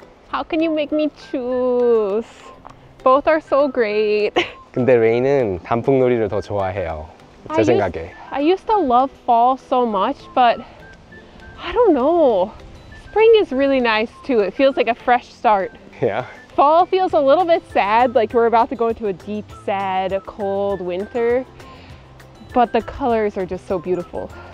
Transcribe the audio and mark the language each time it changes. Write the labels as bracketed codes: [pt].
[en] How can you make me choose? Both are so great. [ko] 근데 레이는 단풍놀이를 더 좋아해요. 제 생각에. [en] I used to love fall so much, but I don't know. Spring is really nice too. It feels like a fresh start. Yeah. Fall feels a little bit sad, like we're about to go into a deep, sad, cold winter. But the colors are just so beautiful.